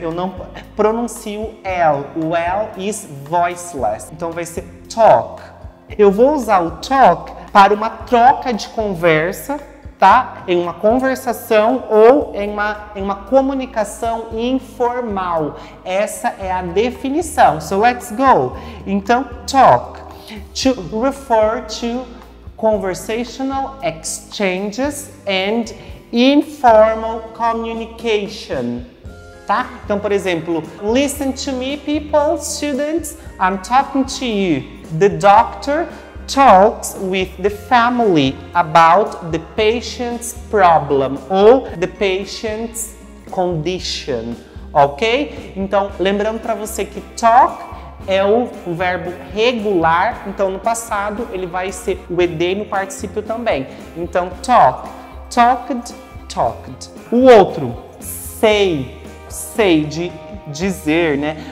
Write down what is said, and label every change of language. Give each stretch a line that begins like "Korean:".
Portuguese: Eu não pronuncio L. O
English: L is voiceless.
Portuguese: Então vai ser talk. Eu vou usar o talk para uma troca de conversa, tá? Em uma conversação ou em uma comunicação informal. Essa é a definição.
English: So let's go.
Portuguese: Então, talk.
English: To refer to conversational exchanges and informal communication. Tá?
Portuguese: Então, por exemplo,
English: listen to me, people, students, I'm talking to you. The doctor talks with the family about the patient's problem ou the patient's condition, ok?
Portuguese: Então, lembrando para você que talk é o verbo regular, então no passado ele vai ser o ED no particípio também. Então, talk, talked, talked. O outro, say, say, de dizer, né?